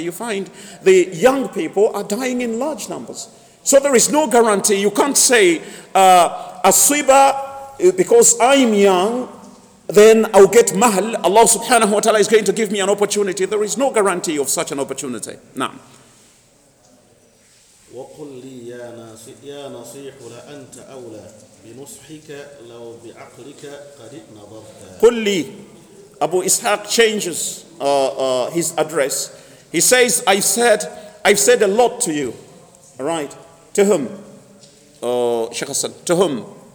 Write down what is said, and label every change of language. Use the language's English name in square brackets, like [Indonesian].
[English] You find the young people are dying in large numbers. So there is no guarantee. You can't say, Aswiba, because I'm young, then I'll get mahl. Allah subhanahu wa ta'ala is going to give me an opportunity. There is no guarantee of such an opportunity. Now. [Arabic] وقل لي يا نصيح, يا نصيح لأنت أولى بنصحك لو بعقلك قد نظرت. قل لي, [English] Abu Ishaq changes his address. He says, I've said a lot to you. Right. To whom? Sheikh Hassan, to whom?